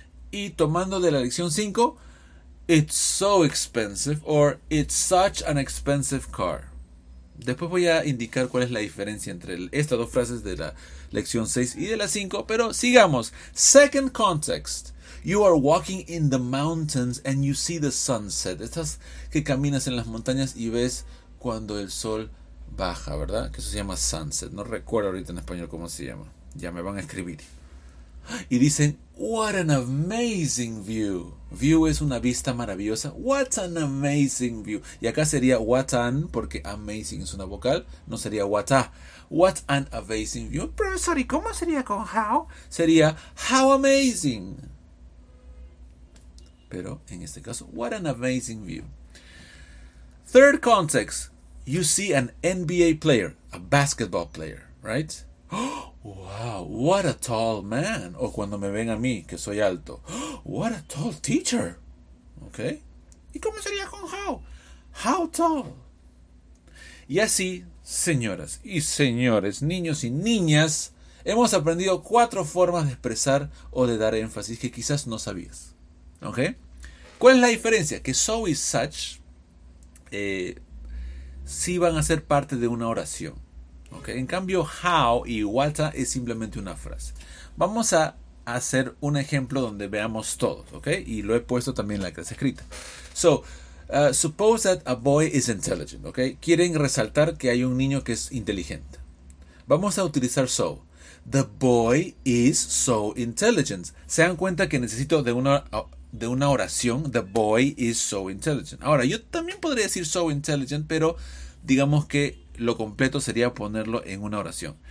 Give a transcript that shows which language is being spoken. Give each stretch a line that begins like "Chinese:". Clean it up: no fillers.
Spanish: Y tomando de la lección 5,
English: it's so expensive or it's such an expensive car.
Spanish: Después voy a indicar cuál es la diferencia entre estas dos frases de la lección 6 y de la 5, pero sigamos.
English: Second context. You are walking in the mountains and you see the sunset.
Spanish: Estás que caminas en las montañas y ves cuando el sol baja, ¿verdad? Que eso se llama sunset. No recuerdo ahorita en español cómo se llama. Ya me van a escribir. Y dicen,
English: what an amazing view.
Spanish: View es una vista maravillosa.
English: What an amazing view.
Spanish: Y acá sería what an, porque amazing es una vocal. No sería what a.
English: What an amazing view. Pero, sorry,
Spanish: ¿cómo sería con how? Sería how amazing. Pero, en este caso,
English: what an amazing view. Third context. You see an NBA player, a basketball player, right? Oh, wow, what a tall man.
Spanish: O cuando me ven a mí, que soy alto.
English: Oh, what a tall teacher. Okay.
Spanish: ¿Y cómo sería con how?
English: How tall?
Spanish: Y así, señoras y señores, niños y niñas, hemos aprendido cuatro formas de expresar o de dar énfasis que quizás no sabías. Okay. ¿Cuál es la diferencia? Que so is such, sí van a ser parte de una oración, ¿okay? En cambio, how y what a es simplemente una frase. Vamos a hacer un ejemplo donde veamos todos, ¿okay? Y lo he puesto también en la clase escrita.
English: So, suppose that a boy is intelligent, ¿okay?
Spanish: Quieren resaltar que hay un niño que es inteligente. Vamos a utilizar so.
English: The boy is so intelligent.
Spanish: Se dan cuenta que necesito de una oración,
English: the boy is so intelligent.
Spanish: Ahora, yo también podría decir so intelligent, pero digamos que lo completo sería ponerlo en una oración.